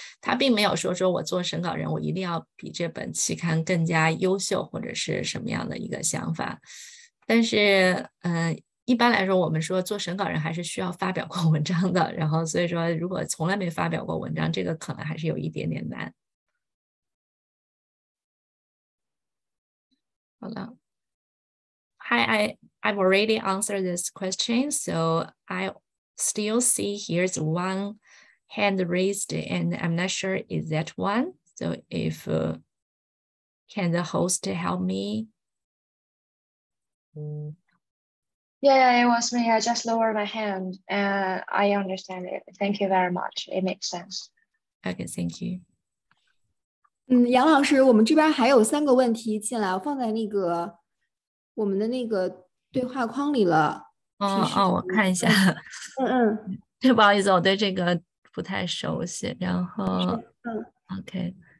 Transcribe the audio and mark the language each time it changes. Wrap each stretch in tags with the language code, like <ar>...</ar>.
<zh>他并没有说我做审稿人我一定要比这本期刊更加优秀或者是什么样的一个想法，但是一般来说我们说做审稿人还是需要发表过文章的，然后所以说如果从来没发表过文章，这个可能还是有一点点难。</zh> <en>好了，Hi, I've already answered this question, so I still see here's one hand raised, and I'm not sure is that one. So if can the host help me? Yeah, it was me. I just lowered my hand, and I understand it. Thank you very much. It makes sense. Okay, thank you.</en> <zh>杨老师，我们这边还有三个问题进来，我放在那个我们的那个对话框里了。哦，我看一下。不好意思，我对这个不太熟悉。然后，OK，</zh>